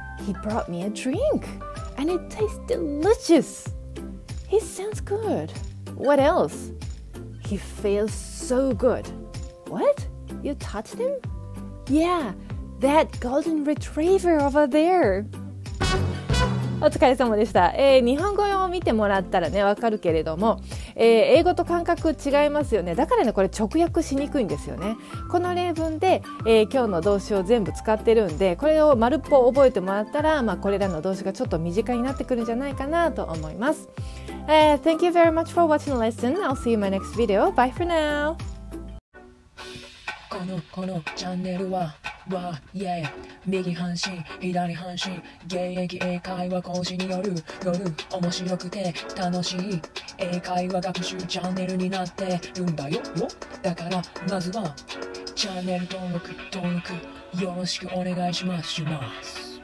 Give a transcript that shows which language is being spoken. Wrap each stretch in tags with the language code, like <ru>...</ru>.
<en>He brought me a drinkAnd it tastes delicious. He sounds good. What else? He feels so good. What? You touched him? Yeah, that golden retriever over there.</en> <ja>お疲れ様でした。日本語を見てもらったらね、わかるけれども、英語と感覚違いますよね。だからね、これ直訳しにくいんですよね。この例文で、今日の動詞を全部使ってるんで、これを丸っぽ覚えてもらったら、これらの動詞がちょっと身近になってくるんじゃないかなと思います。</ja> <en>Thank you very much for watching the lesson. I'll see you in my next video. Bye for now.</en> <ja>このチャンネルはわいえ、右半身左半身、現役英会話講師による面白くて楽しい英会話学習チャンネルになってるんだよ。だからまずはチャンネル登録よろしくお願いします。</ja>